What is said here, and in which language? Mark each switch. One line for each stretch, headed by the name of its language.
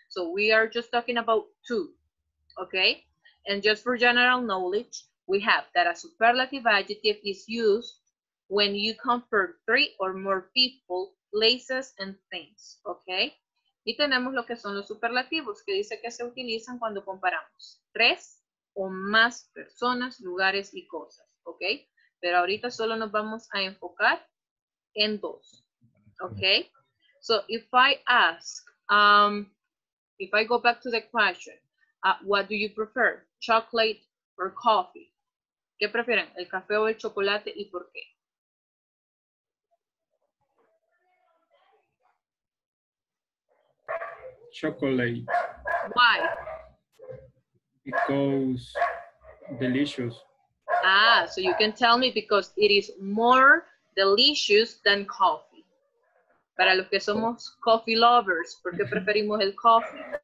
English: So we are just talking about two, okay? And just for general knowledge, we have that a superlative adjective is used when you compare three or more people, places, and things, okay?
Spanish: Y tenemos lo que son los superlativos, que dice que se utilizan cuando comparamos tres o más personas, lugares y cosas, okay? Pero ahorita solo nos vamos a enfocar en dos, okay?
English: So if I ask, if I go back to the question, what do you prefer, chocolate or coffee?
Spanish: ¿Qué prefieren, el café o el chocolate y por qué?
English: Chocolate. Why? Because delicious. Ah, so you can tell me because it is more delicious than coffee.
Spanish: Para los que somos
English: coffee lovers,
Spanish: ¿por qué preferimos el coffee?